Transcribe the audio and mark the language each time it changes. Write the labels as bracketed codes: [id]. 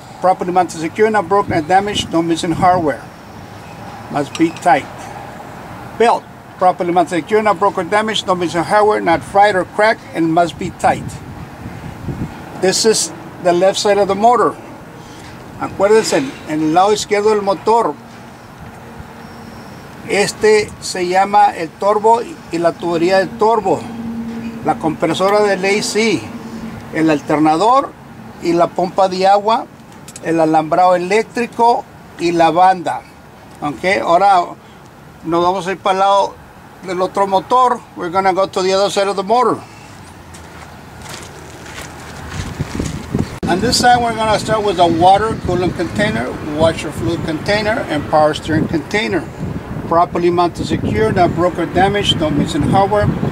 [en] Properly mounted secure, not broken and damaged, no missing hardware. Must be tight. Belt, properly mounted secure, not broken or damaged, no missing hardware, not fried or cracked, and must be tight. This is the left side of the motor. [es] Acuérdense, en el lado izquierdo del motor, este se llama el turbo y la tubería del turbo, la compresora del AC, el alternador y la pompa de agua, el alambrado eléctrico y la banda. Okay, ahora nos vamos a ir para el lado del otro motor. [en] We're gonna go to the other side of the motor. On this side, we're gonna start with a water coolant container, washer fluid container, and power steering container. Properly mounted secure, not broke or damaged, no missing hardware.